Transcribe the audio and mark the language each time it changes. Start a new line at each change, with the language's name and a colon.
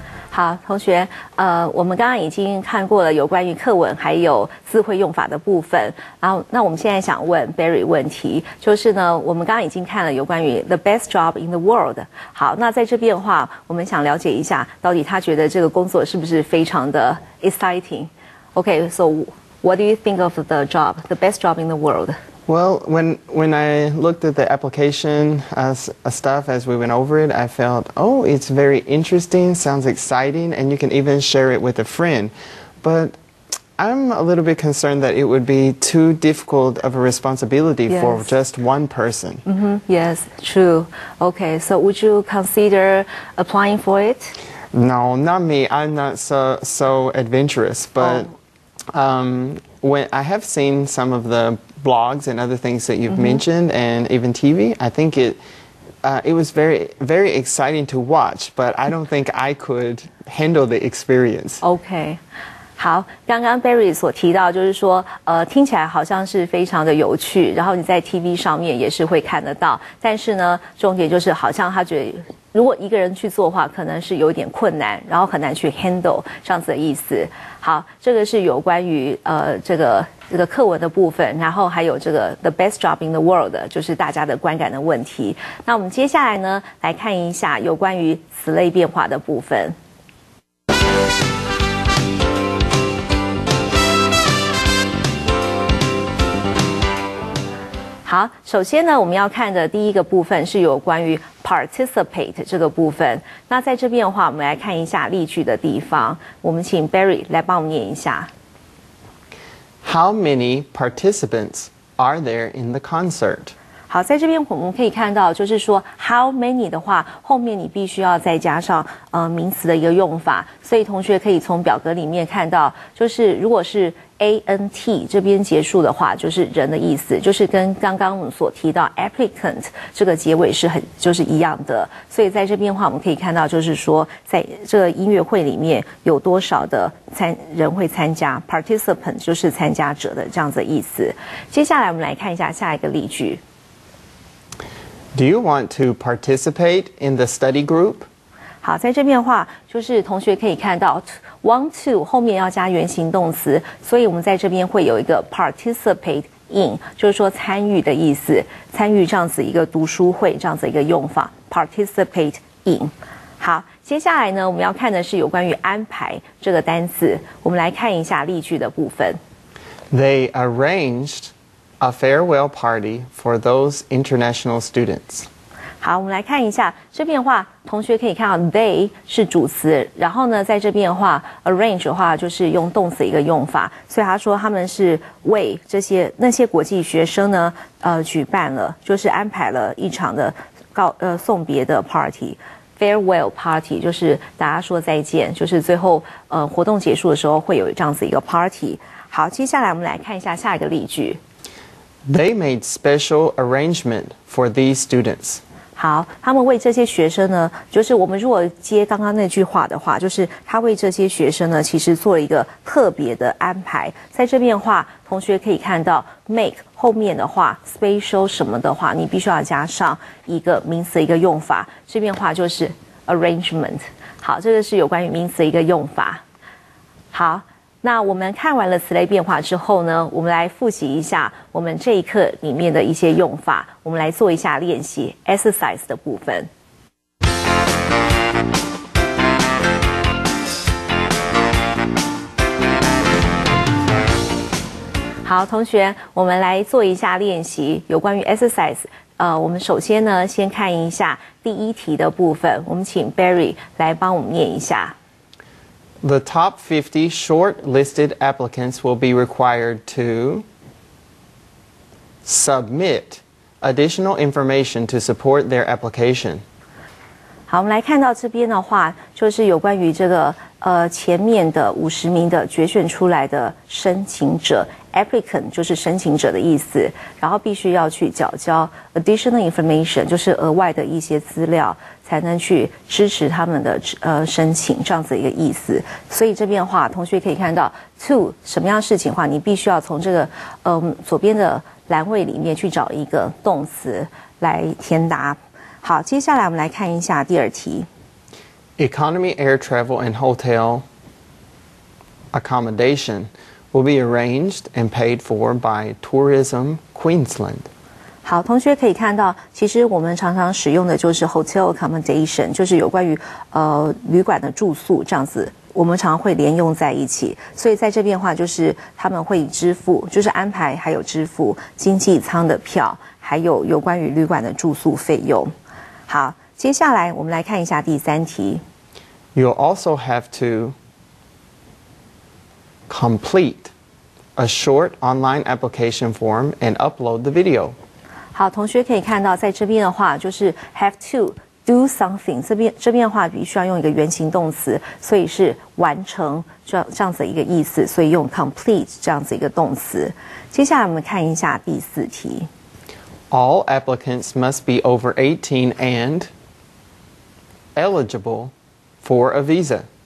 Chinese: 好，同学，我们刚刚已经看过了有关于课文还有字汇用法的部分，然后那我们现在想问 Barry 问题，就是呢，我们刚刚已经看了有关于
English: the best job in the world。
Chinese: 好，那在这边的话，我们想了解一下，到底他觉得这个工作是不是非常的 exciting？
English: Okay, so what do you think of the job, the best job in the world? Well, when I looked at the application stuff as we went over it, I felt, oh, it's very interesting, sounds exciting, and you can even share it with a friend. But I'm a little bit concerned that it would be too difficult of a responsibility yes. for just one person. Mm-hmm. Yes, true. Okay, so would you consider applying for it? No, not me. I'm not so adventurous, but... When I have seen some of the blogs and other things that you've mentioned and even TV, I think it was very, very exciting to watch, but I don't think I could handle the experience. Okay.
Chinese: 好，刚刚 Barry 所提到就是说听起来好像是非常的有趣，然后你在 TV 上面也是会看得到，但是呢重点就是好像他觉得如果一个人去做的话可能是有点困难，然后很难去 handle 这样子的意思。好，这个是有关于这个课文的部分，然后还有这个
English: the best job in the world，
Chinese: 就是大家的观感的问题。那我们接下来呢来看一下有关于词类变化的部分。好，首先呢我们要看的第一个部分是有关于 participate 这个部分。那在这边的话我们来看一下例句的地方，我们请 Barry 来帮我们念一下。
English: How many participants are there in the concert?
Chinese: 好，在这边我们可以看到，就是说
English: how many
Chinese: 的话，后面你必须要再加上名词的一个用法。所以同学可以从表格里面看到，就是如果是 ant 这边结束的话，就是人的意思，就是跟刚刚我们所提到 applicant 这个结尾是很就是一样的。所以在这边的话，我们可以看到，就是说在这个音乐会里面有多少的人会参加 ，participant 就是参加者的这样子的意思。接下来我们来看一下下一个例句。
English: Do you want to participate in the study group?
Chinese: 好，在这边的话，就是同学可以看到 want to 后面要加原形动词，所以我们在这边会有一个 participate in， 就是说参与的意思，参与这样子一个读书会这样子一个用法 participate in。好，接下来呢，我们要看的是有关于安排这个单词，我们来看一下例句的部分。
English: They arrangedA farewell party for those international students.
Chinese: 好，我们来看一下这边的话，同学可以看到 they 是主词，然后呢，在这边的话 arrange 的话就是用动词一个用法，所以他说他们是为这些那些国际学生呢，举办了，就是安排了一场的送别的 party。 Farewell party 就是大家说再见，就是最后活动结束的时候会有这样子一个 party。好，接下来我们来看一下下一个例句。
English: They made special arrangement for these students.
Chinese: 好，他们为这些学生呢，就是我们如果接刚刚那句话的话，就是他为这些学生呢，其实做了一个特别的安排。在这边的话，同学可以看到 make 后面的话 special 什么的话，你必须要加上一个名词的一个用法。这边的话就是 arrangement。好，这个是有关于名词的一个用法。好。那我们看完了词类变化之后呢，我们来复习一下我们这一课里面的一些用法，我们来做一下练习 exercise 的部分。好，同学，我们来做一下练习，有关于 exercise， 我们首先呢先看一下第一题的部分，我们请 Barry 来帮我们念一下。
English: The top 50 shortlisted applicants will be required to submit additional information to support their application.
Chinese: 好，我们来看到这边的话，就是有关于这个前面的50名的决选出来的申请者 ，applicant 就是申请者的意思，然后必须要去缴交
English: additional information，
Chinese: 就是额外的一些资料。才能去支持他们的申请，这样子一个意思。所以这边的话，同学可以看到 to 什么样事情的话，你必须要从这个左边的栏位里面去找一个动词来填答。好，接下来我们来看一下第二题。
English: Economy air travel and hotel accommodation will be arranged and paid for by Tourism Queensland.
Chinese: 好，同学可以看到，其实我们常常使用的就是
English: hotel accommodation，
Chinese: 就是有关于旅馆的住宿这样子，我们常常会连用在一起。所以在这边的话，就是他们会支付，就是安排还有支付经济舱的票，还有有关于旅馆的住宿费用。好，接下来我们来看一下第三题。
English: You'll also have to complete a short online application form and upload the video.
Chinese: 好，同学可以看到，在这边的话就是
English: have to do something，
Chinese: 这边的话必须要用一个原形动词，所以是完成这样子一个意思，所以用 complete 这样子一个动词。接下来我们看一下第四题。
English: All applicants must be over 18 and eligible for a visa.